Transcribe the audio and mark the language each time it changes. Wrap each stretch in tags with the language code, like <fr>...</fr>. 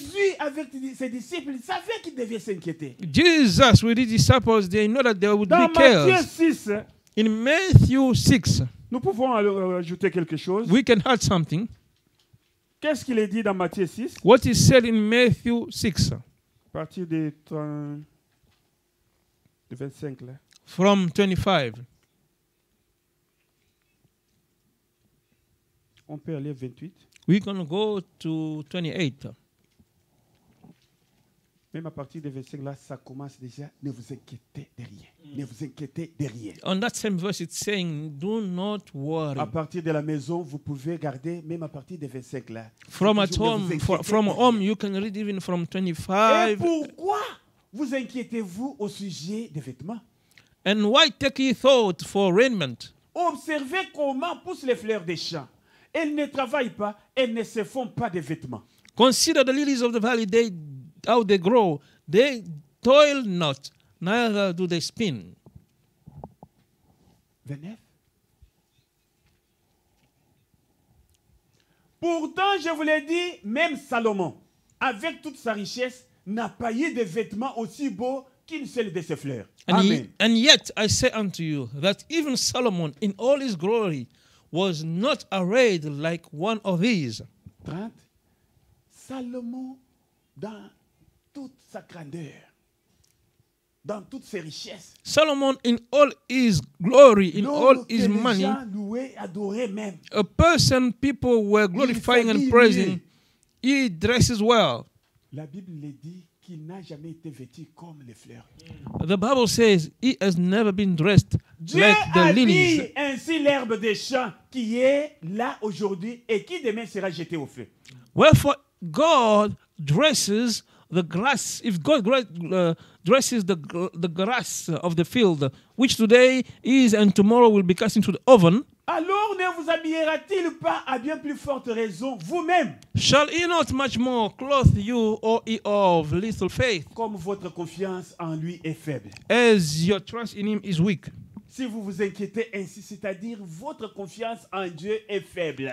<fr>Jésus avec ses disciples savait qu'ils devaient s'inquiéter.</fr> <en>Jesus with his disciples, they know that there would</en> <fr>dans</fr> <en>be cares.</en> <fr>Dans Matthieu 6.</fr> <en>In Matthew 6.</en> <fr>Nous pouvons ajouter quelque chose.</fr> <en>We can add something.</en> <fr>Qu'est-ce qu'il est dit dans Matthieu 6?</fr> <en>What is said in Matthew 6?</en> <fr>À partir de 25 là.</fr> <en>From 25.</en> <fr>On peut aller 28.</fr> <en>We can go to 28.</en> <fr>Même à partir de 25 là, ça commence déjà. Ne vous inquiétez de rien. Ne vous inquiétez de rien.</fr> <en>On that same verse, it's saying, do not worry.</en> <fr>À partir de la maison, vous pouvez garder. Même à partir de 25 là.</fr> <en>From at home, from home, you can read even from 25.</en> <fr>Et pourquoi vous inquiétez-vous au sujet des vêtements?</fr> <en>And why take ye thought for raiment?</en> <fr>Observez comment poussent les fleurs des champs. Elles ne travaillent pas, elles ne se font pas de vêtements.</fr> <en>Consider the lilies of the valley, they, how they grow. They toil not, neither do they spin.</en> <fr>Venez. Pourtant, je vous l'ai dit, même Salomon, avec toute sa richesse, n'a pas eu de vêtements aussi beaux qu'une seule de ses fleurs.</fr> <en>And amen. And yet I say unto you that even Solomon, in all his glory, was not arrayed like one of these.</en> <fr>30. Salomon, dans toute sa grandeur, dans toutes ses richesses.</fr> <en>Solomon in all his glory, in all his money.</en> <fr>Loué, adoré même.</fr> <en>A person people were glorifying and praising.</en> <fr>Lui.</fr> <en>He dresses well.</en> <fr>La Bible le dit qu'il n'a jamais été vêtu comme les fleurs.</fr> <en>The Bible says he has never been dressed</en> <fr>Dieu</fr> <en>like the lilies.</en> <fr>Dieu a mis ainsi l'herbe des champs qui est là aujourd'hui et qui demain sera jetée au feu.</fr> <en>Wherefore God dresses the grass, if God dresses the grass of the field, which today is and tomorrow will be cast into the oven.</en> <fr>Alors ne vous habillera-t-il pas à bien plus forte raison vous-même?</fr> <en>Shall he not much more clothe you, O ye of little faith?</en> <fr>Comme votre confiance en lui est faible.</fr> <en>As your trust in him is weak.</en> <fr>Si vous vous inquiétez ainsi, c'est-à-dire votre confiance en Dieu est faible.</fr>